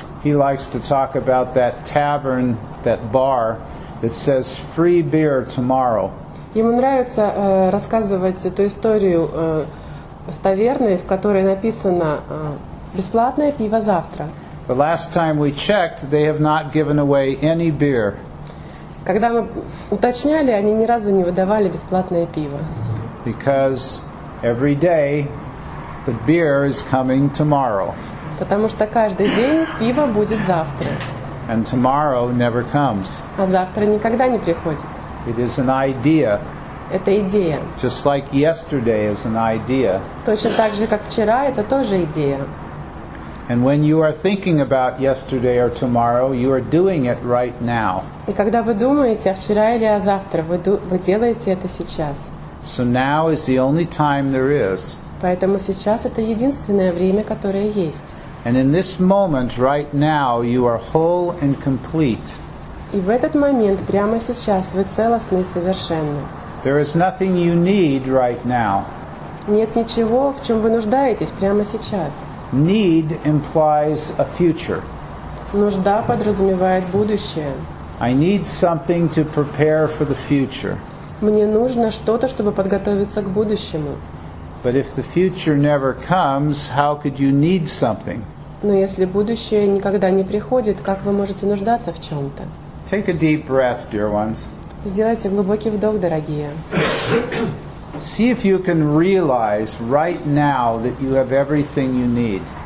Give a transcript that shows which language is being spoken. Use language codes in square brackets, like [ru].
[en] He likes to talk about that tavern, that bar that says free beer tomorrow. [ru] Ему нравится рассказывать эту историю с таверной, в которой написано «бесплатное пиво завтра». [en] The last time we checked, they have not given away any beer. [ru] Когда мы уточняли, они ни разу не выдавали бесплатное пиво. [en] Because every day the beer is coming tomorrow. [ru] Потому что каждый день пиво будет завтра. [en] And tomorrow never comes. [ru] А завтра никогда не приходит. [en] It is an idea. [ru] Это идея. [en] Just like yesterday is an idea. [ru] Точно так же, как вчера, это тоже идея. [en] And when you are thinking about yesterday or tomorrow, you are doing it right now. [ru] И когда вы думаете о вчера или о завтра, вы делаете это сейчас. [en] So now is the only time there is. [ru] Поэтому сейчас это единственное время, которое есть. [en] And in this moment, right now, you are whole and complete. [ru] И в этот момент, прямо сейчас, вы целостны и совершенны. [en] There is nothing you need right now. [ru] Нет ничего, в чем вы нуждаетесь прямо сейчас. [en] Need implies a future. [ru] Нужда подразумевает будущее. [en] I need something to prepare for the future. [ru] Мне нужно что-то, чтобы подготовиться к будущему. [en] But if the future never comes, how could you need something? [ru] Но если будущее никогда не приходит, как вы можете нуждаться в чем-то? [en] Take a deep breath, dear ones. [ru] Сделайте глубокий вдох, дорогие. [en] See if you can realize right now that you have everything you need.